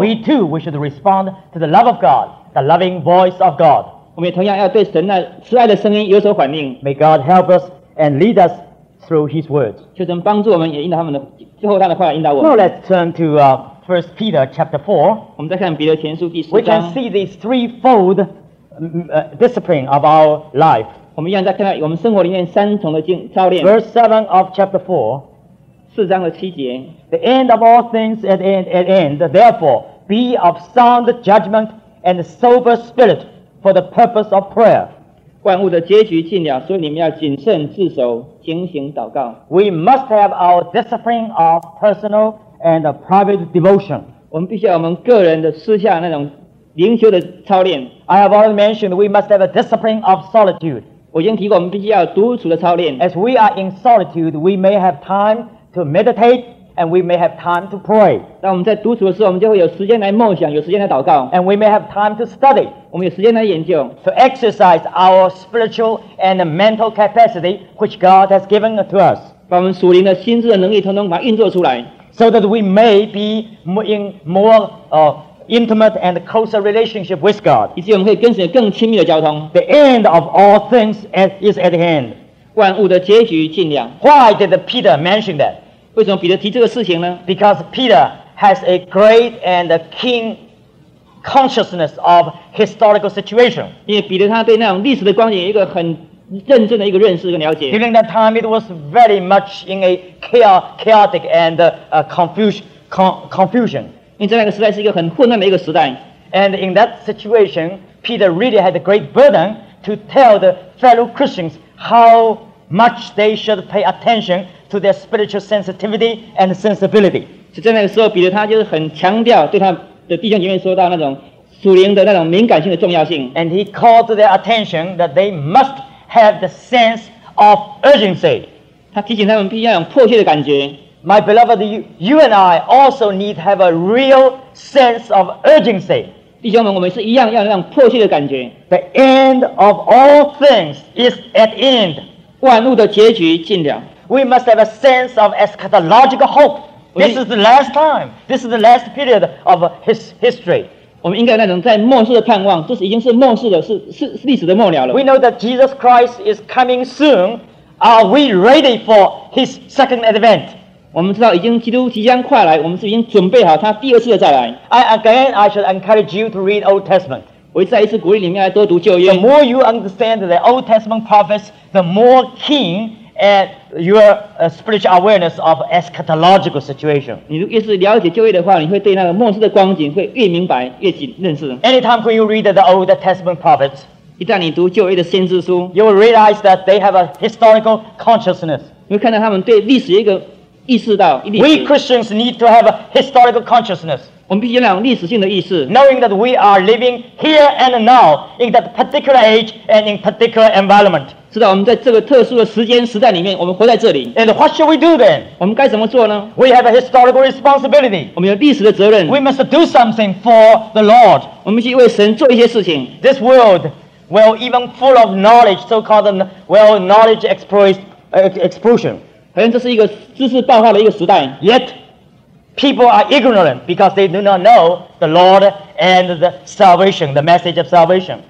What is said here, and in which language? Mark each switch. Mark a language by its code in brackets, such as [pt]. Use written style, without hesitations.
[en] We too, we should respond to the love of God, the loving voice of God. [zh] 我们也同样要对神那慈爱的声音有所反应。 [en] May God help us and lead us through His words. [zh] 求神帮助我们，也引导他们的最后他的话引导我们。 [en] Now let's turn to First Peter chapter 4. [zh] 我们再看彼得前书第四章。 [en] We can see these threefold discipline of our life. [zh] 我们一样再看到我们生活里面三重的操练。 [en] Verse 7 of chapter 4, [zh] 四章的七节。 [en] The end of all things at end, therefore, be of sound judgment and sober spirit for the purpose of prayer. [zh] 万物的结局近了，所以你们要谨慎自守，警醒祷告。 [en] We must have our discipline of personal and private devotion. [zh] 我们必须要我们个人的私下那种灵修的操练。 [en] I have already mentioned we must have a discipline of solitude. [zh] 我已经提过，我们必须要独处的操练。 [en] As we are in solitude, we may have time to meditate, and we may have time to pray. [zh] 当我们在独处的时候，我们就会有时间来梦想，有时间来祷告。 [en] And we may have time to study. [zh] 我们有时间来研究。 [en] To exercise our spiritual and mental capacity, which God has given to us. [zh] 把我们属灵的心智的能力统统把它运作出来。 [en] So that we may be in more intimate and closer relationship with God. [zh] 以至于我们可以跟神更亲密的交通。 [en] The end of all things is at hand. [zh] 万物的结局近了。 [en] Why did Peter mention that? [zh] 为什么彼得提这个事情呢？ [en] Because Peter has a great and keen consciousness of historical situation. [zh] 因为彼得他对那种历史的光景有一个很认真的一个认识跟了解。 [en] During that time, it was very much in a chaotic and confusion. [zh] 因为这个时代是一个很混乱的一个时代。 [en] And in that situation, Peter really had a great burden to tell the fellow Christians how much they should pay attention to their spiritual sensitivity and sensibility. [zh] 所以在那个时候，彼得他就是很强调对他的弟兄姐妹说到那种属灵的那种敏感性的重要性。 [en] And he called their attention that they must have the sense of urgency. [zh] 他提醒他们必须要有迫切的感觉。 [en] My beloved, you and I also need to have a real sense of urgency. [zh] 弟兄们，我们是一样要那种迫切的感觉。 [en] The end of all things is at end. [zh] 万物的结局近了。 [en] We must have a sense of eschatological hope. This is the last time. This is the last period of history. [zh] 我们应该那种在末世的盼望，这是已经是末世的，是历史的末了了。 [en] We know that Jesus Christ is coming soon. Are we ready for His second advent? [zh] 我们知道已经基督即将快来，我们是已经准备好他第二次的再来。 [en] I should encourage you to read Old Testament. [zh] 我再一次鼓励你们来多读旧约。 [en] The more you understand the Old Testament prophets, the more keen at your spiritual awareness of eschatological situation. [zh] 你越是了解旧约的话，你会对那个末世的光景会越明白，越认识。 [en] Anytime when you read the Old Testament prophets, [zh] 一旦你读旧约的先知书 [en] ，you will realize that they have a historical consciousness. [zh] 你会看到他们对历史一个意识到 [en] We Christians need to have a historical consciousness. [zh] 我们必须有那种历史性的意识 [en] Knowing that we are living here and now in that particular age and in particular environment. [zh] 知道我们在这个特殊的时间时代里面，我们活在这里 [en] And what should we do then? [zh] 我们该怎么做呢？ [en] We have a historical responsibility. [zh] 我们有历史的责任 [en] We must do something for the Lord. [zh] 我们必须为神做一些事情 [en] This world, well, even full of knowledge, so-called well knowledge explosion. [zh] 好像这是一个知识爆发的一个时代。 [en] Yet, people are ignorant because they do not know the Lord and the salvation, the message of salvation.